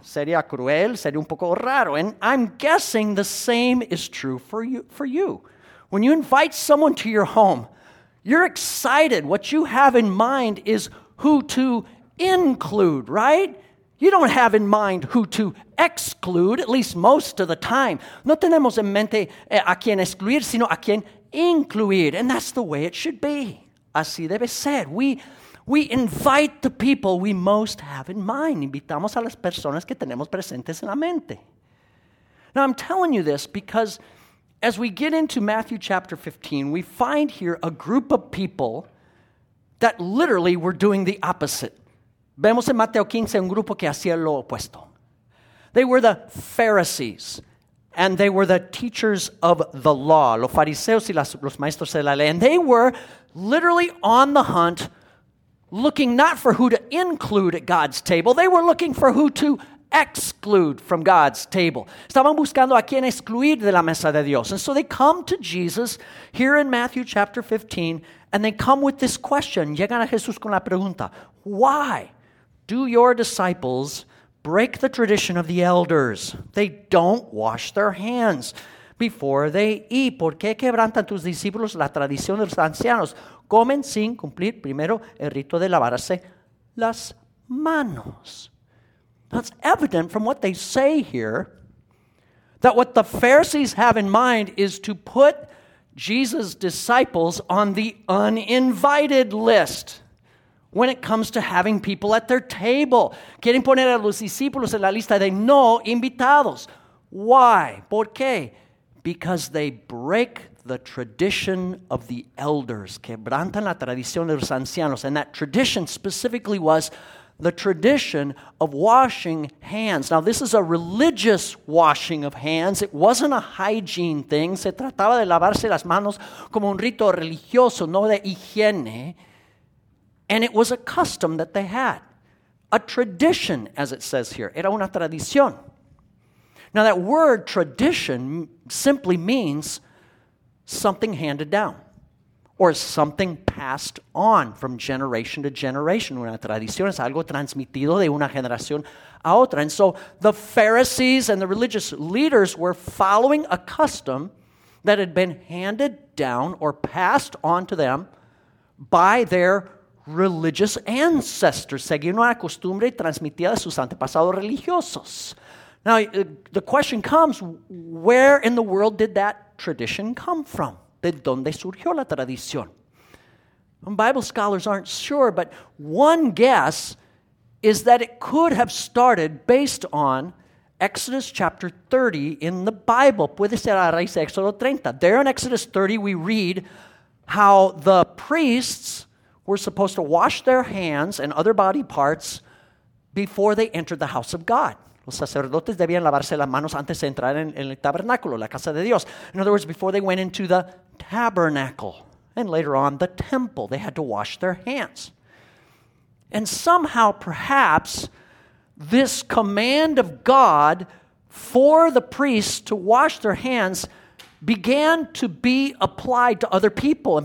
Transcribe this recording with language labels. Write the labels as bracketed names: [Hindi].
[Spanish] Sería cruel, sería un poco raro. [English] And I'm guessing the same is true for you. When you invite someone to your home, you're excited. What you have in mind is who to include, right? You don't have in mind who to exclude, at least most of the time. [Spanish] No tenemos en mente a quien excluir, sino a quien incluir. [English] And that's the way it should be. [Spanish] Así debe ser. [English] We invite the people we most have in mind. [Spanish] Invitamos a las personas que tenemos presentes en la mente. [English] Now, I'm telling you this because as we get into Matthew chapter 15, we find here a group of people that literally were doing the opposite. [Spanish] Vemos en Mateo 15 un grupo que hacía lo opuesto. [English] They were the Pharisees, and they were the teachers of the law, [Spanish] los fariseos y los maestros de la ley. [English] And they were literally on the hunt, looking not for who to include at God's table, they were looking for who to exclude from God's table. [Spanish] Estaban buscando a quien excluir de la mesa de Dios. [English] And so they come to Jesus here in Matthew chapter 15, and they come with this question. [Spanish] Llegan a Jesús con la pregunta, [English] why do your disciples break the tradition of the elders? They don't wash their hands. before they eat. [Spanish] ¿Por qué quebrantan tus discípulos la tradición de los ancianos? Comen sin cumplir primero el rito de lavarse las manos. [English] That's evident from what they say here, that what the Pharisees have in mind is to put Jesus' disciples on the uninvited list when it comes to having people at their table. [Spanish] Quieren poner a los discípulos en la lista de no invitados. [English] Why? [Spanish] ¿Por qué? [English] Because they break the tradition of the elders. [Spanish] Quebrantan la tradición de los ancianos. [English] And that tradition specifically was the tradition of washing hands. Now, this is a religious washing of hands. It wasn't a hygiene thing. [Spanish] Se trataba de lavarse las manos como un rito religioso, no de higiene. [English] And it was a custom that they had. A tradition, as it says here. [Spanish] Era una tradición. [English] Now, that word tradition simply means something handed down or something passed on from generation to generation. [Spanish] Una tradición es algo transmitido de una generación a otra. [English] And so the Pharisees and the religious leaders were following a custom that had been handed down or passed on to them by their religious ancestors. [Spanish] Seguían una costumbre transmitida de sus antepasados religiosos. [English] Now, the question comes, where in the world did that tradition come from? [Spanish] ¿De dónde surgió la tradición? [English] Bible scholars aren't sure, but one guess is that it could have started based on Exodus chapter 30 in the Bible. [Spanish] Puede ser a raíz de Éxodo 30. [English] There in Exodus 30, we read how the priests were supposed to wash their hands and other body parts before they entered the house of God. [Spanish] Los sacerdotes debían lavarse las manos antes de entrar en el tabernáculo, la casa de Dios. [English] In other words, before they went into the tabernacle and later on the temple, they had to wash their hands. And somehow, perhaps, this command of God for the priests to wash their hands began to be applied to other people.